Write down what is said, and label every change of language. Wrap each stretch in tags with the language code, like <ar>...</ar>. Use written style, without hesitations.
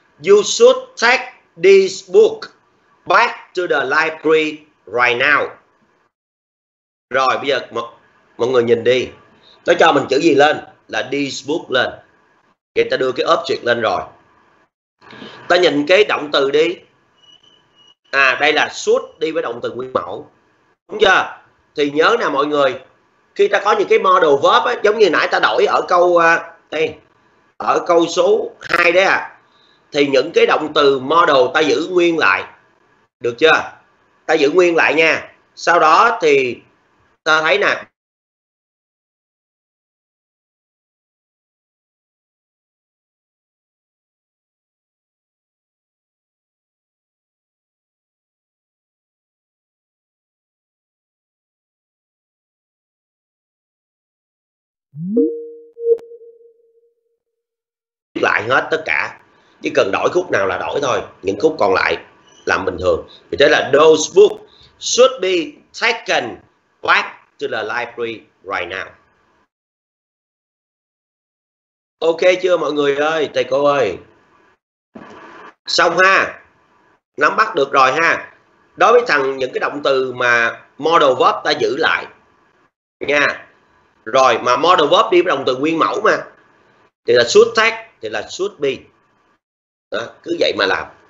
<en>You should take this book back to the library right now.</en> <vi>Rồi bây giờ mọi người nhìn đi. Nó cho mình chữ gì lên? Là</vi> <en>this book</en> <vi>lên. Vậy ta đưa cái object lên rồi. Ta nhìn cái động từ đi. À đây là should đi với động từ nguyên mẫu. Đúng chưa? Thì nhớ nè mọi người, khi ta có những cái model verb á, giống như nãy ta đổi ở câu đây, ở câu số 2 đấy à, thì những cái động từ model ta giữ nguyên lại. Được chưa? Ta giữ nguyên lại nha. Sau đó thì ta thấy nè, lại hết tất cả, chỉ cần đổi khúc nào là đổi thôi, những khúc còn lại làm bình thường. Vì thế là</vi> <en>those books should be taken back to the library right now.</en> <vi>Ok chưa mọi người ơi, thầy cô ơi? Xong ha, nắm bắt được rồi ha. Đối với thằng những cái động từ mà model verb ta giữ lại nha. Rồi mà model verb đi với động từ nguyên mẫu mà, thì là</vi> <en>should take,</en> <vi>thì là</vi> <en>should be.</en> <vi>Đó, cứ vậy mà làm.</vi>